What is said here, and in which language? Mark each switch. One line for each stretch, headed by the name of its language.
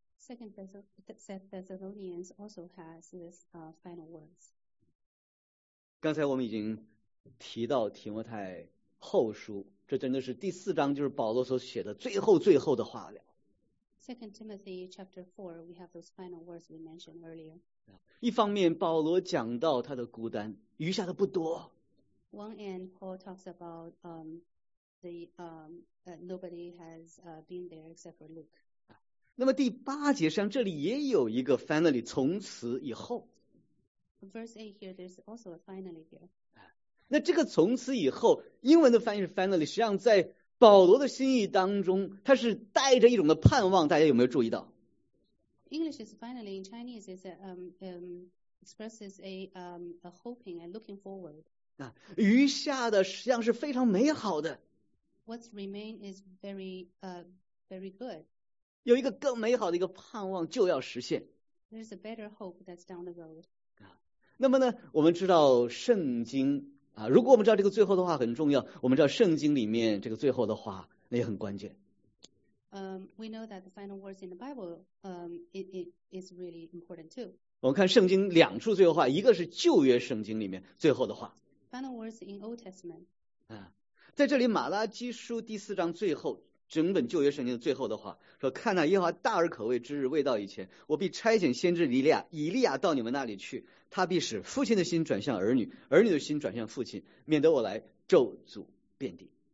English: Second Thessalonians also has this final words.
Chinese: 刚才我们已经提到提摩太后书。这真的是第四章，就是保罗所写的最后最后的话了。
English: Second Timothy chapter 4, we have those final words we mentioned earlier.
Chinese: 一方面，保罗讲到他的孤单，余下的不多。
English: One end, Paul talks about nobody has been there except for Luke.
Chinese: 那么第八节上这里也有一个 finally 从此以后。
English: Verse 8 here, there's also a finally here.
Chinese: 那这个从此以后，英文的翻译是 finally， 实际上在保罗的心意当中，他是带着一种的盼望，大家有没有注意到？
English: English is finally, in Chinese is expresses a hoping and looking forward.
Chinese: 啊，余下的实际上是非常美好的。
English: What's remain is very very good.
Chinese: 有一个更美好的一个盼望就要实现。
English: There's a better hope that's down the road.
Chinese: 那么呢，我们知道圣经啊，如果我们知道这个最后的话很重要，我们知道圣经里面这个最后的话那也很关键。
English: We know that the final words in the Bible, it is really important too.
Chinese: 我们看圣经两处最后话，一个是旧约圣经里面最后的话。
English: Final words in Old Testament.
Chinese: 啊，在这里马拉基书第四章最后。整本旧约圣经的最后的话说，看那耶和华大而可畏之日未到以前，我必差遣先知以利亚到你们那里去，他必使父亲的心转向儿女，儿女的心转向父亲，免得我来咒诅遍地。